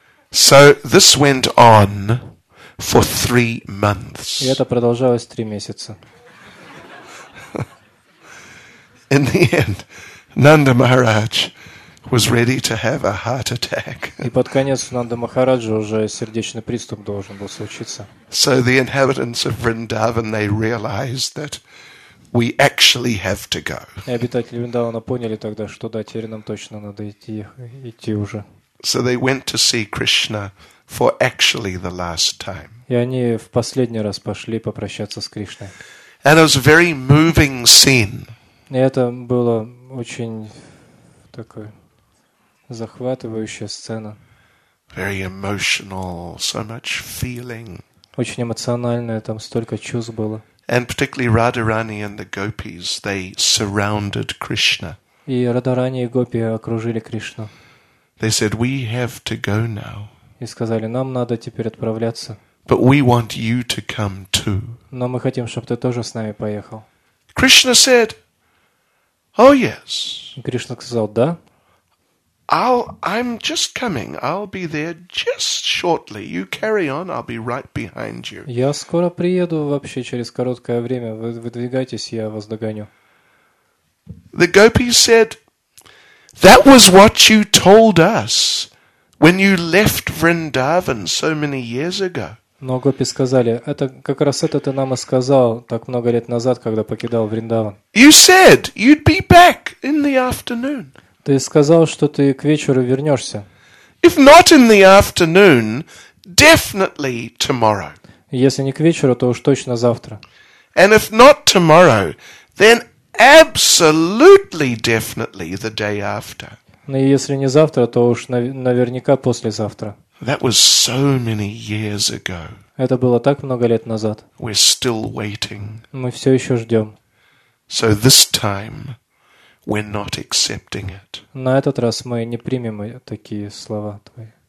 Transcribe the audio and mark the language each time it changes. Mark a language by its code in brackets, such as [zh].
[en] So this went on for 3 months. [ru] И это продолжалось 3 месяца. [en] In the end, Nanda Maharaj was ready to have a heart attack. [ru] И под конец Нанда Махараджа уже сердечный приступ должен был случиться. [en] So the inhabitants of Vrindavan, they realized that we actually have to go. [ru] И обитатели Вриндавана поняли тогда, что да, теперь нам точно надо идти уже. [en] So they went to see Krishna for actually the last time. [ru] И они в последний раз пошли попрощаться с Кришной. [en] And it was a very moving scene. [ru] И это было очень такое захватывающая сцена. [en] Very emotional, so much feeling. [ru] Очень эмоциональное, там столько чувств было. [en] And particularly Radharani and the gopis, they surrounded Krishna. [ru] И Радхарани и гопи окружили Кришну. [en] They said, "We have to go now." [ru] И сказали, нам надо теперь отправляться. [en] But we want you to come too. [ru] Но мы хотим, чтобы ты тоже с нами поехал. [en] Krishna said, "Oh yes." [ru] Кришна сказал, да. [en] I'm just coming. I'll be there just shortly. You carry on. I'll be right behind you. [ru] Я скоро приеду вообще через короткое время. Вы выдвигайтесь, я вас догоню. [en] The gopis said, "That was what you told us when you left Vrindavan so many years ago." [ru] Но гопи сказали, это как раз это ты нам и сказал так много лет назад, когда покидал Вриндаван. [en] You said you'd be back in the afternoon. [ru] Ты сказал, что ты к вечеру вернешься. [en] If not in the afternoon, definitely tomorrow. [ru] Если не к вечеру, то уж точно завтра. [en] And if not tomorrow, then absolutely definitely the day after. [ru] Ну и если не завтра, то уж наверняка послезавтра. [en] That was so many years ago. [ru] Это было так много лет назад. [en] We're still waiting. [ru] Мы все еще ждем. [en] So this time we're not accepting it. [ru] На этот раз мы не примем такие слова твои.